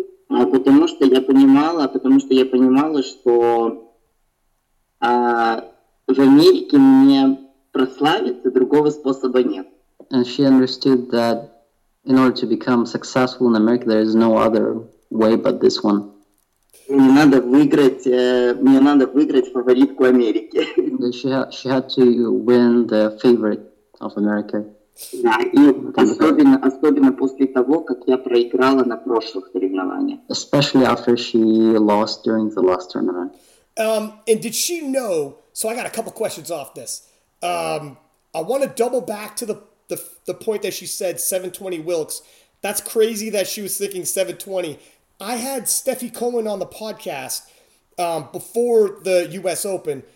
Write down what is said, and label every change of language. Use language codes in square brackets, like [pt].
[ru] Потому что я понимала, что в Америке мне прославиться другого способа нет. [en] And she understood that in order to become successful in America, there is no other way but this one. [ru] Мне надо выиграть фаворитку Америки. [en] She had to win the favorite of America. [ru] Да, и особенно после того, как я проиграла на прошлых соревнованиях. [en] Especially after she lost during the last tournament. And did she know, so I got a couple questions off this. I want to double back to the point that she said 720 Wilks. That's crazy that she was thinking 720. I had Steffi Cohen on the podcast before the US Open.